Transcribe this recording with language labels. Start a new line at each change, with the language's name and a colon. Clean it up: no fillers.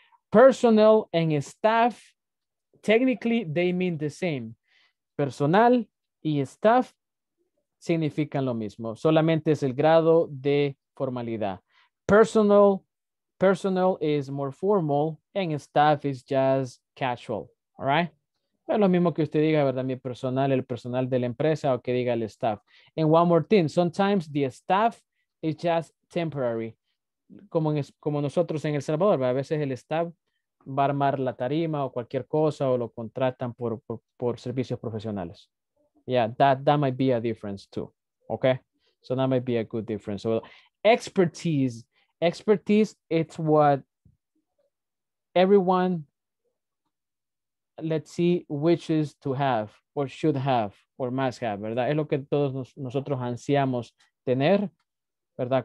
English: Personnel and staff, technically they mean the same.
Spanish: Personal y staff significan lo mismo. Solamente es el grado de formalidad.
English: Personal is more formal and staff is just casual. All right?
Spanish: Es lo mismo que usted diga, ¿verdad? Mi personal, el personal de la empresa o que diga el staff.
English: And one more thing. Sometimes the staff is just temporary.
Spanish: Como nosotros en El Salvador, ¿verdad? A veces el staff va a armar la tarima o cualquier cosa o lo contratan por servicios profesionales.
English: Yeah, that might be a difference too. Okay? So that might be a good difference. So expertise. Expertise, it's what everyone, let's see, wishes to have or should have or must have, ¿verdad?
Spanish: Es lo que todos nosotros ansiamos tener, ¿verdad?